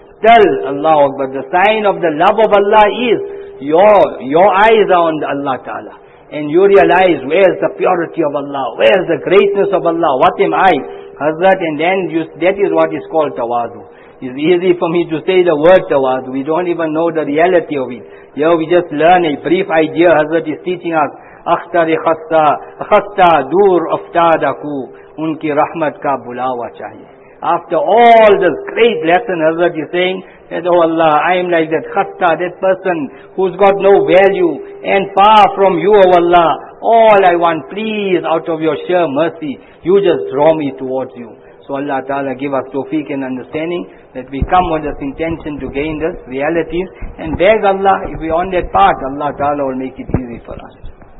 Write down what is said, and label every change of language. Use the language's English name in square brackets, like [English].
[English] Tell Allah Akbar, the sign of the love of Allah is, your eyes are on Allah Ta'ala. And you realize, where is the purity of Allah? Where is the greatness of Allah? What am I? Hazrat, and then that is what is called tawadu. It's easy for me to say the word tawadu. We don't even know the reality of it. Here we just learn a brief idea. Hazrat is teaching us, [Urdu] Akhtar خستہ دور افتادکو ان کی رحمت کا بلاوا چاہیے. [English] After all this great lesson, Hazrat is saying that, oh Allah, I am like that khatta, that person who's got no value and far from you, oh Allah. All I want, please, out of your sheer mercy, you just draw me towards you. So Allah Ta'ala give us tawfiq and understanding that we come with this intention to gain this reality and beg Allah. If we're on that path, Allah Ta'ala will make it easy for us.